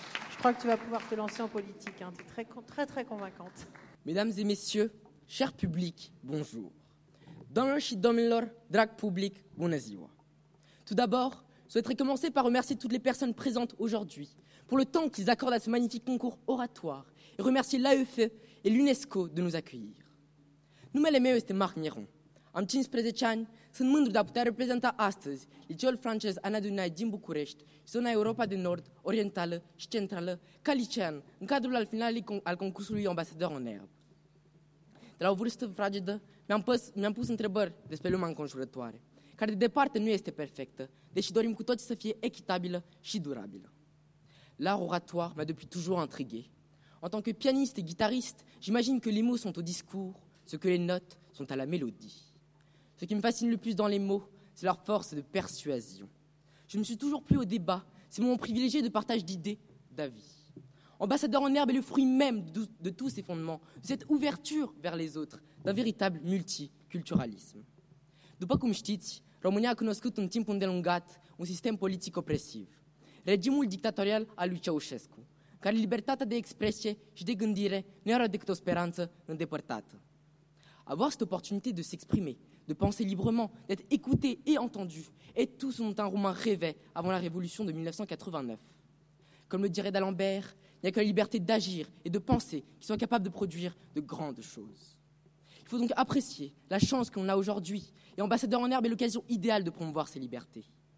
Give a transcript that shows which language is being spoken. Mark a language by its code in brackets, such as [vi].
[fr] Je crois que tu vas pouvoir te lancer en politique, hein. T'es très, très très convaincante. Mesdames et messieurs, cher public, bonjour. [ro] Domnoshi domnilor, drag public, bună ziua. [fr] Tout d'abord, je souhaiterais commencer par remercier toutes les personnes présentes aujourd'hui pour le temps qu'ils accordent à ce magnifique concours oratoire et remercier l'AEFE et l'UNESCO de nous accueillir. [ro] Numele meu este Marc Miron. Am 15 ani, sunt mândru de a putea reprezenta astăzi liceul francez Ana Dunai din București, zona Europa de Nord, Orientală și Centrală, ca licean, în cadrul al finalului al concursului ambasador în erbă. De la o vârstă fragedă, mi-am pus întrebări despre lumea înconjurătoare, care de departe nu este perfectă, deși dorim cu toții să fie echitabilă și durabilă. [fr] L'art oratoire m-a depuis toujours intrigué. En tant que pianiste et guitariste, j'imagine que les mots sont au discours, ce que les notes sont à la mélodie. Ce qui me fascine le plus dans les mots, c'est leur force de persuasion. Je me suis toujours plu au débat, c'est mon privilégié de partage d'idées, d'avis. Ambassadeur en herbe est le fruit même de tous ces fondements, de cette ouverture vers les autres, d'un véritable multiculturalisme. [ro] După cum știți, România a cunoscut un timp îndelungat un sistem politic opresiv, regimul dictatorial al lui Ceaușescu, care libertatea de expresie și de gândire nu era decât o speranță îndepărtată. [fr] Avoir cette opportunité de s'exprimer, de penser librement, d'être écouté et entendu, est tout ce dont un Roumain rêvait avant la révolution de 1989. Comme le dirait d'Alembert, il n'y a que la liberté d'agir et de penser qui soit capable de produire de grandes choses. Il faut donc apprécier la chance qu'on a aujourd'hui, et ambassadeur en herbe est l'occasion idéale de promouvoir ces libertés.